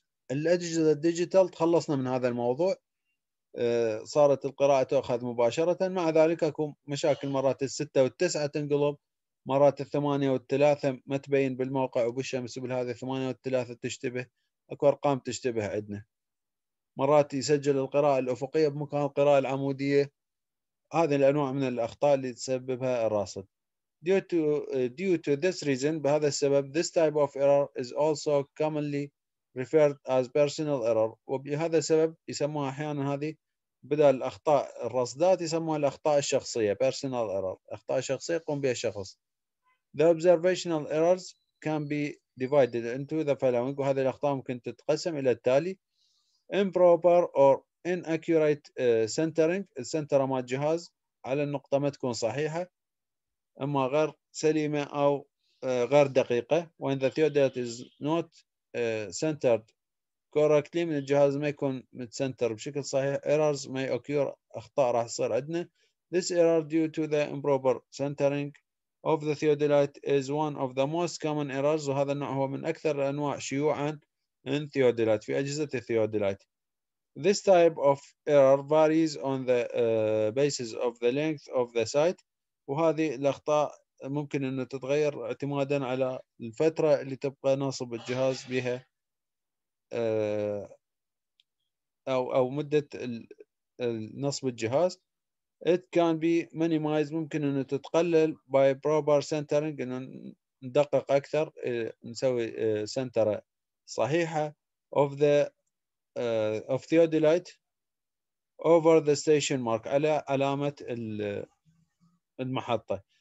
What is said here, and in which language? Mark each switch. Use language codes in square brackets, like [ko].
[ar] الأجهزة الديجيتال تخلصنا من هذا الموضوع، صارت القراءة تأخذ مباشرة، مع ذلك أكون مشاكل مرات الستة والتسعة تنقلب، مرات الثمانية والثلاثة ما تبين بالموقع وبالشمس، وبالهذه الثمانية والثلاثة تشتبه، أكو أرقام تشتبه عندنا، مرات يسجل القراءة الأفقية بمكان القراءة العمودية. هذه الأنواع من الأخطاء اللي تسببها الراصد. [en] Due to this reason, [ar] بهذا السبب, [en] this type of error is also commonly referred as personal error. [ar] وبهذا السبب يسموها أحيانا هذه بدل الأخطاء الرصدات يسموها الأخطاء الشخصية personal error، أخطاء شخصية يقوم بها الشخص. [en] The observational errors can be divided into the following. [ar] وهذه الأخطاء ممكن تتقسم إلى التالي: [en] improper or inaccurate centering، [ar] السنترة مال الجهاز على النقطة ما تكون صحيحة، اما غير سليمه او غير دقيقه. [en] When the theodolite is not centered correctly، [ar] من الجهاز ما يكون متسنتر بشكل صحيح، [en] errors may occur، [ar] اخطاء راح تصير عندنا. [en] This error due to the improper centering of the theodolite is one of the most common errors، [ar] وهذا النوع هو من اكثر الانواع شيوعا [en] in theodolite، [ar] في اجهزه الثيودولايت. [en] This type of error varies on the basis of the length of the site. [ar] وهذه الأخطاء ممكن أن تتغير اعتمادا على الفترة اللي تبقى ناصب الجهاز بها أو مدة نصب الجهاز. [en] It can be minimized, [ar] ممكن أن تتقلل [en] by proper centering, [ar] أن ندقق أكثر نسوي سنترة صحيحة [en] of the of theodolite over the station mark, [ar] على علامة المحطة.